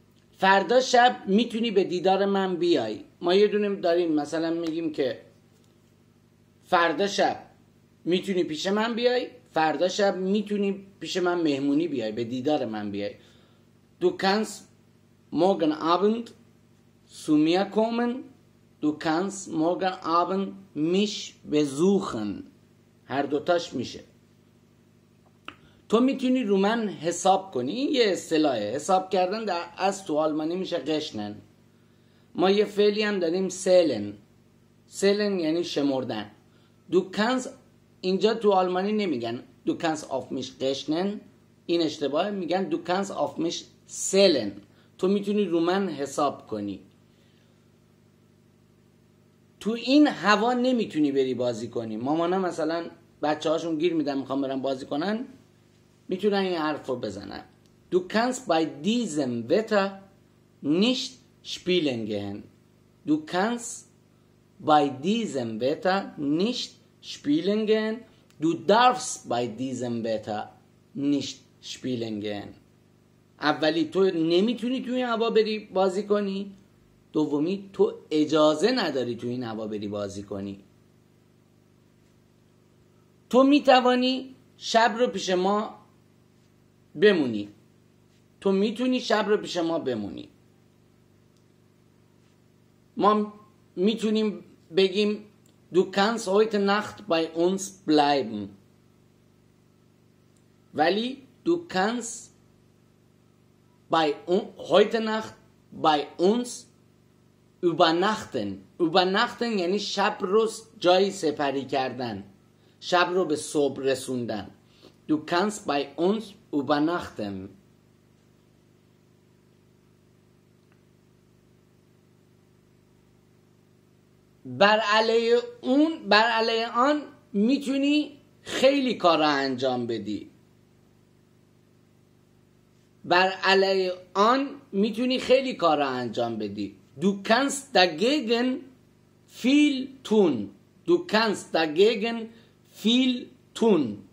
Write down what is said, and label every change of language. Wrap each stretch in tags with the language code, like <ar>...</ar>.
<fa>فردا شب میتونی به دیدار من بیای. ما یه دونه داریم، مثلا میگیم که فردا شب میتونی پیش من بیای، فردا شب میتونی پیش من مهمونی بیای، به دیدار من بیای.</fa> <de>Du kannst morgen Abend zu mir kommen. Du kannst morgen Abend mich besuchen.</de> <fa>هر دوتاش میشه. تو میتونی رو من حساب کنی. این یه اصطلاحه. حساب کردن در از تو آلمانی میشه رشنن. ما یه فعلی هم داریم سیلن. سیلن یعنی شمردن. دو کنز اینجا تو آلمانی نمیگن دو کنز آف میش رشنن. این اشتباهه. میگن دو کنز آف میش سیلن. تو میتونی رو من حساب کنی. تو این هوا نمیتونی بری بازی کنی. مامانا مثلا بچه هاشون گیر میدن میخوان برن بازی کنن، میتونن این حرف رو بزنن.</fa> <de>Du kannst bei diesem Wetter nicht spielen gehen. Du kannst bei diesem Wetter nicht spielen gehen. Du darfst bei diesem Wetter nicht spielen gehen.</de> <fa>اولی تو نمیتونی تو این هوا بری بازی کنی، دومی تو اجازه نداری تو این هوا بری بازی کنی. تو میتوانی شب رو پیش ما بمونی. تو میتونی شب رو پیش ما بمونی. ما میتونیم بگیم</fa> <de>Du kannst heute Nacht bei uns bleiben. ولی Du kannst bei heute Nacht bei uns übernachten.</de> <fa>übernachten یعنی شب رو جایی سپری کردن، شب رو به صبح رسوندن.</fa> <de>Du kannst bei uns übernachten.</de> <fa>بر علیه اون، بر علیه آن میتونی خیلی کارا انجام بدی. بر علیه آن میتونی خیلی کارا انجام بدی.</fa> <de>Du kannst dagegen viel tun. Du kannst dagegen viel tun.</de>